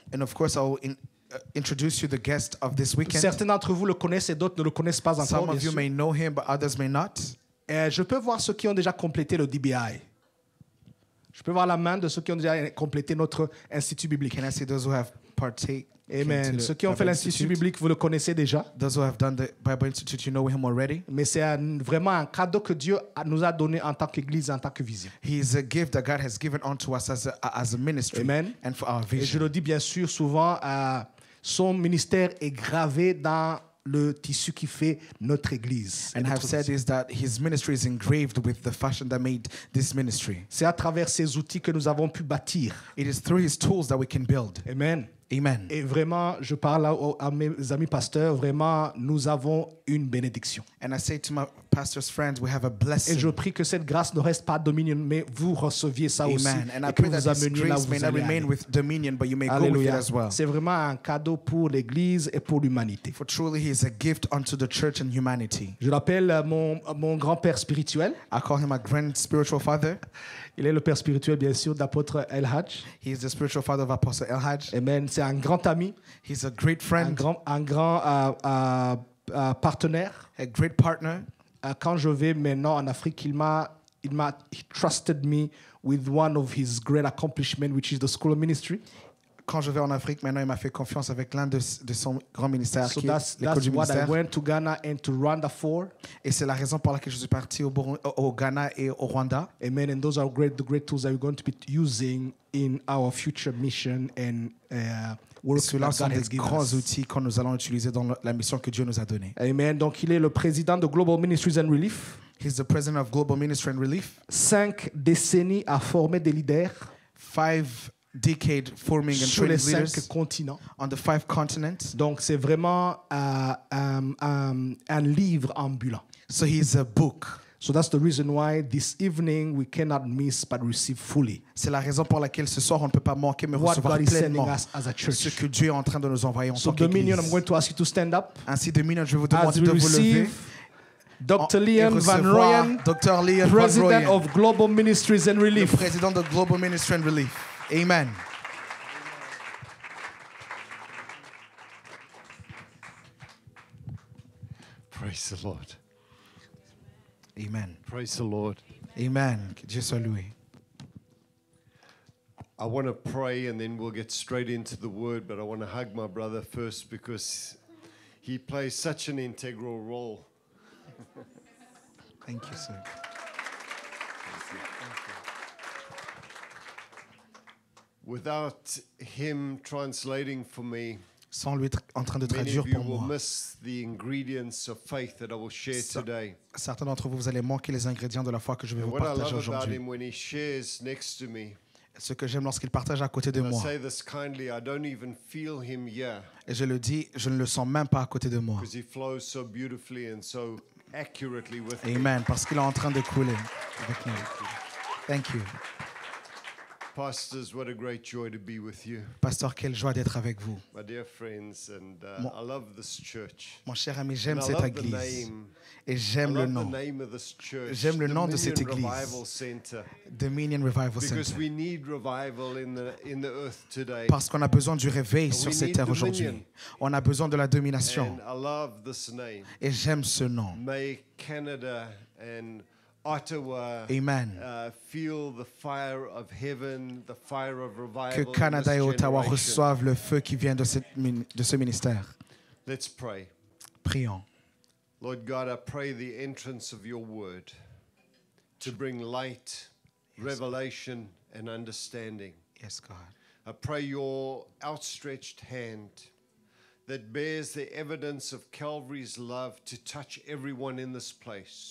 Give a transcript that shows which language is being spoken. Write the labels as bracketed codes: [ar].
[en] And of course, I'll introduce you the guest of this weekend. [fr] Certains d'entre vous le connaissent et d'autres ne le connaissent pas encore. [en] Some of you may know him, but others may not. [fr] Et je peux voir ceux qui ont déjà complété le DBI. Je peux voir la main de ceux qui ont déjà complété notre institut biblique. [en] Can I see those who have partaken? Amen. [fr] Ceux qui ont fait l'Institut biblique, vous le connaissez déjà. [en] Those who have done the Bible Institute, you know him already. [fr] Mais c'est vraiment un cadeau que Dieu nous a donné en tant qu'Église, en tant que vision. [en] He is a gift that God has given unto us as a ministry. Amen. And for our vision. [fr] Et je le dis bien sûr souvent, son ministère est gravé dans le tissu qui fait notre église. [en] And I've said is that his ministry is engraved with the fashion that made this ministry. [fr] C'est à travers ces outils que nous avons pu bâtir. [en] It is through his tools that we can build. Amen. Amen. [fr] Et vraiment, je parle à mes amis pasteurs, vraiment, nous avons une bénédiction. [en] And I say to my pastor's friends, we have a blessing. [fr] Et je prie que cette grâce ne reste pas dominion, mais vous receviez ça Amen. Aussi. [en] And I pray that this grace may not remain with dominion, but you may Alleluia. Go with it as well. [fr] C'est vraiment un cadeau pour l'Église et pour l'humanité. [en] For truly, he is a gift unto the church and humanity. [fr] Je l'appelle mon grand-père spirituel. [en] I call him my grand spiritual father. [fr] Il est le père spirituel, bien sûr, d'apôtre El Hadj. [en] He is the spiritual father of Apostle El Hadj. [fr] Amen. C'est un grand ami. [en] He's a great friend. [fr] Un grand partenaire. [en] A great partner. [fr] Quand je vais maintenant en Afrique, il m'a [en] trusted me with one of his great accomplishments, which is the school of ministry. [fr] Quand je vais en Afrique, maintenant, il m'a fait confiance avec l'un de son grand ministère, so qui est l'école du ministère. [en] That's what I went to Ghana and to Rwanda for. [fr] Et c'est la raison pour laquelle je suis parti au Ghana et au Rwanda. Amen. [en] And those are great tools that we're going to be using in our future mission and work. [fr] Cela sont des grands outils que nous allons utiliser dans la mission que Dieu nous a donnée. Amen. Donc, il est le président de Global Ministries and Relief. [en] He's the president of Global Ministry and Relief. [fr] 5 décennies à former des leaders. [en] 5 decade forming and [fr] sur [en] training leaders continents. On the 5 continents. [fr] Donc c'est vraiment un livre ambulant. [en] So he's a book. So that's the reason why this evening we cannot miss but receive fully. [fr] C'est la raison pour laquelle ce soir on ne peut pas manquer mais [en] what [fr] recevoir [en] God [fr] pleinement [en] is sending us as a church. [fr] Ce que Dieu est en train de nous envoyer en [en] so [fr] tant qu'église. [en] So Dominion, I'm going to ask you to stand up. [fr] Ainsi Dominion, je vais vous demander de vous lever. [en] Dr. Leon Van Rooyen, Dr. Leon President Van Rooyen, of Global Ministries and Relief. [fr] Le président de Global Ministry and Relief. Amen. [en] Praise the Lord. Amen. Praise the Lord. [fr] Amen. Dieu soit loué. [en] I want to pray and then we'll get straight into the word, but I want to hug my brother first because he plays such an integral role. Thank you, sir. Without him translating for me, [fr] sans lui en train de traduire pour moi, [en] many of you will miss the ingredients of faith that I will share today. [fr] Certains d'entre vous allez manquer les ingrédients de la foi que je vais vous partager aujourd'hui. [en] When he shares next to me, [fr] ce que j'aime lorsqu'il partage à côté de moi. [en] I say this kindly, I don't even feel him here. [fr] Et je le dis, je ne le sens même pas à côté de moi. [en] Because he flows so beautifully and so accurately with me. Amen. [fr] Parce qu'il est en train de couler avec nous. [en] Thank you. Pastors, what a great joy to be with you. [fr] Pastor, quelle joie d'être avec vous. [en] My dear friends, and I love this church. [fr] Mon cher ami, j'aime cette église. Et j'aime le nom. [en] I love the name of this church. [fr] J'aime le nom de cette église. [en] Revival Center. Dominion Revival Center. Because we need revival in the earth today. [fr] Parce qu'on a besoin du réveil sur cette terre aujourd'hui. On a besoin de la domination. [en] And I love this name. [fr] Et j'aime ce nom. [en] May Canada and Ottawa, Amen. Feel the fire of heaven, the fire of revival. [fr] Que Canada et Ottawa reçoivent le feu qui vient de ce ministère. [en] Let's pray. [fr] Prions. [en] Lord God, I pray the entrance of your word to bring light, yes, revelation, God. And understanding. Yes, God. I pray your outstretched hand that bears the evidence of Calvary's love to touch everyone in this place.